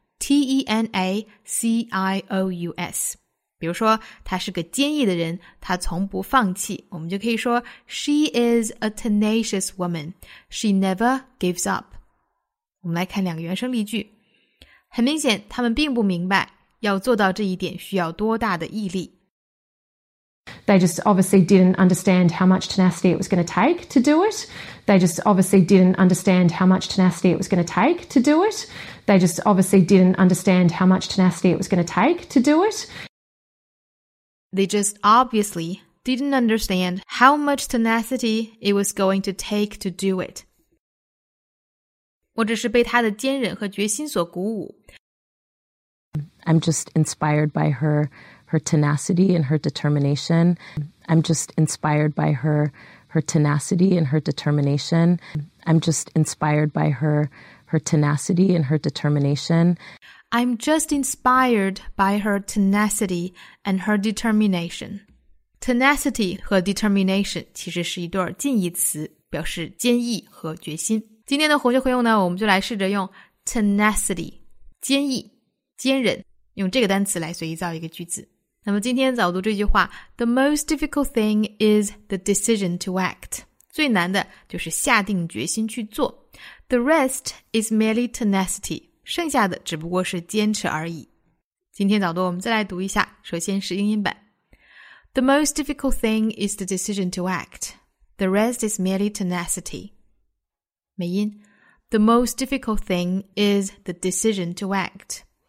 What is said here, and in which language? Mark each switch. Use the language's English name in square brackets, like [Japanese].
[Chinese] T-E-N-A-C-I-O-U-S. 比如说他是个坚毅的人，他从不放弃，我们就可以说 [English] She is a tenacious woman. She never gives up. [Chinese] 我们来看两个原声例句。很明显，他们并不明白要做到这一点需要多大的毅力。 [English] They just obviously didn't understand how much tenacity it was going to take to do it. They just obviously didn't understand how much tenacity it was going to take to do it. They just obviously didn't understand how much tenacity it was going to take to do it. They just obviously didn't understand how much tenacity it was going to take to do it. [Chinese] 我只是被她的坚韧和决心所鼓舞。 [English] I'm just inspired by her tenacity and her determination. I'm just inspired by her tenacity and her determination. I'm just inspired by her tenacity and her determination. I'm just inspired by her tenacity and her determination. [Chinese] Tenacity 和 determination 其实是一对近义词，表示坚毅和决心。今天的活学活用呢，我们就来试着用 tenacity, 坚毅、坚韧，用这个单词来随意造一个句子。那么今天早读这句话， [English] The most difficult thing is the decision to act. [Chinese] 最难的就是下定决心去做。 [English] The rest is merely tenacity. [Chinese] 剩下的只不过是坚持而已。今天早读我们再来读一下，首先是英音版。 [English] The most difficult thing is the decision to act. The rest is merely tenacity. [Chinese] 美音。 [English] The most difficult thing is the decision to act.